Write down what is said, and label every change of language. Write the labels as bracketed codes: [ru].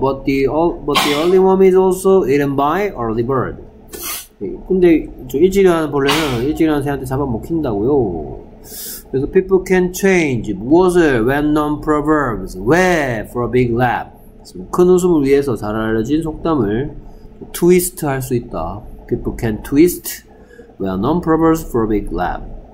[en] But the early worm is also eaten by early bird. [ko] 근데 저 일찍 일어나는 벌레는 일찍 일어나는 새한테 잡아먹힌다고요. 그래서 [en] People can change. What? Well-known proverbs. Where? For a big laugh. [ko] 큰 웃음을 위해서 잘 알려진 속담을 트위스트 할 수 있다. [en] People can twist well-known proverbs for a big laugh.